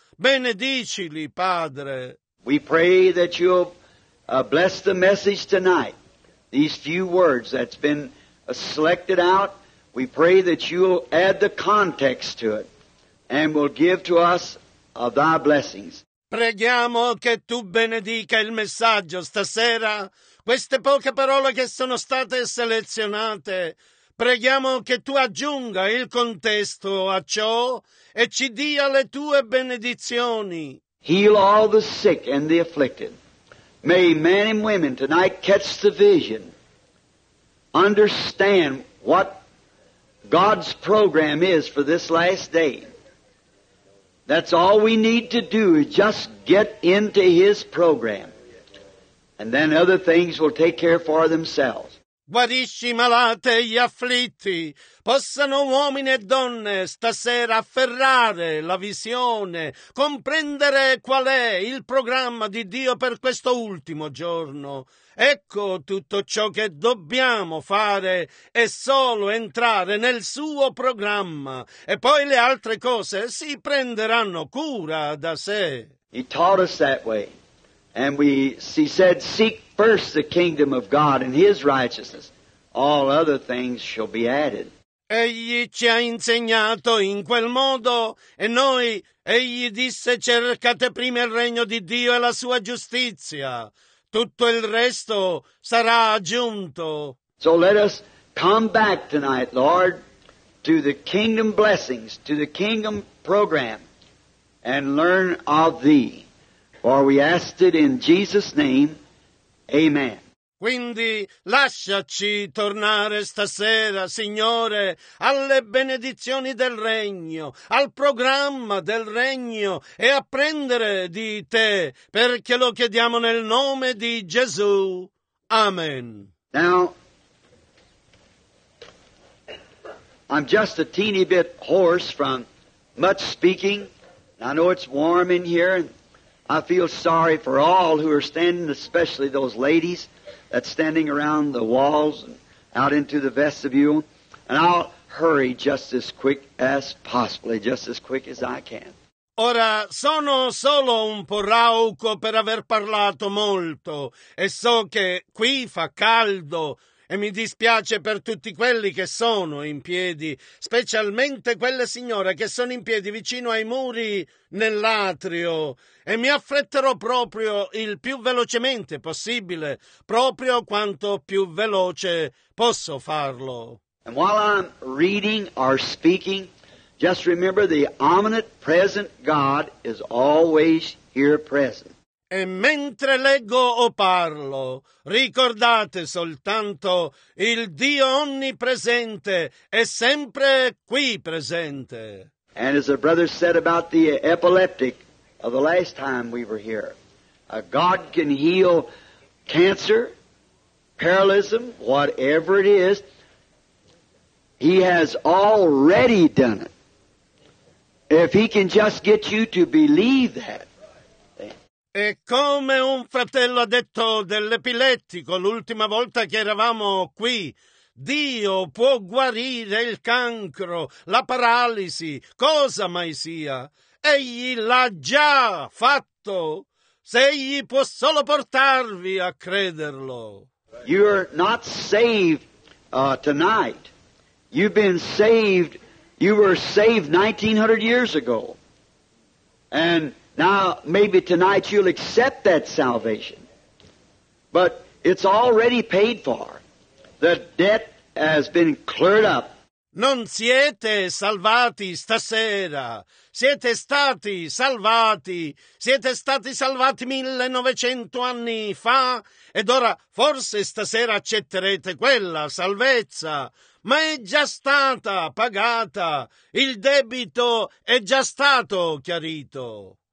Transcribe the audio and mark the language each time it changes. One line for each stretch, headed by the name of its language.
Italian: Benedicili, Padre.
English: We pray that you'll bless the message tonight. These few words that's been selected out, we pray that you'll add the context to it and will give to us of thy blessings.
Italian: Preghiamo che tu benedica il messaggio stasera, queste poche parole che sono state selezionate. Preghiamo che tu aggiunga il contesto a ciò e ci dia le tue benedizioni.
English: Heal all the sick and the afflicted. May men and women tonight catch the vision, understand what God's program is for this last day. That's all we need to do is just get into His program. And then other things will take care for themselves.
Italian: Guarisci i malati e gli afflitti. Possano uomini e donne stasera afferrare la visione, comprendere qual è il programma di Dio per questo ultimo giorno. Ecco tutto ciò che dobbiamo fare è solo entrare nel suo programma e poi le altre cose si prenderanno cura da sé.
English: He taught us that way. And we, he said, seek first the kingdom of God and His righteousness. All other things shall be added.
Italian: Egli ci ha insegnato in quel modo e noi, egli disse, cercate prima il regno di Dio e la sua giustizia. Tutto il resto sarà aggiunto.
English: So let us come back tonight, Lord, to the kingdom blessings, to the kingdom program, and learn of Thee. For we ask it in Jesus' name. Amen.
Italian: Quindi lasciaci tornare stasera, Signore, alle benedizioni del Regno, al programma del Regno e apprendere di Te, perché lo chiediamo nel nome di Gesù. Amen.
English: Now, I'm just a teeny bit hoarse from much speaking. I know it's warm in here, and I feel sorry for all who are standing, especially those ladies that's standing around the walls and out into the vestibule. And I'll hurry just as quick as possibly, just as quick as I can.
Italian: Ora, sono solo un po' rauco per aver parlato molto e so che qui fa caldo e mi dispiace per tutti quelli che sono in piedi, specialmente quelle signore che sono in piedi vicino ai muri nell'atrio. E mi affretterò proprio il più velocemente possibile, proprio quanto più veloce posso farlo.
English: And while I'm reading or speaking, just remember the omnipresent God is always here present.
Italian: E mentre leggo o parlo, ricordate soltanto, il Dio onnipresente è sempre qui presente.
English: And as the brother said about the epileptic of the last time we were here, God can heal cancer, paralysis, whatever it is. He has already done it. If He can just get you to believe that.
Italian: E come un fratello ha detto dell'epilettico l'ultima volta che eravamo qui, Dio può guarire il cancro, la paralisi, cosa mai sia. Egli l'ha già fatto, se egli può solo portarvi a crederlo.
English: You're not saved tonight. You've been saved. You were saved 1900 years ago. And now, maybe tonight you'll accept that salvation, but it's already paid for. The debt has been cleared up.
Italian: Non siete salvati stasera. Siete stati salvati. Siete stati salvati 1900 anni fa, ed ora forse stasera accetterete quella salvezza. Ma è già stata pagata. Il debito è già stato chiarito.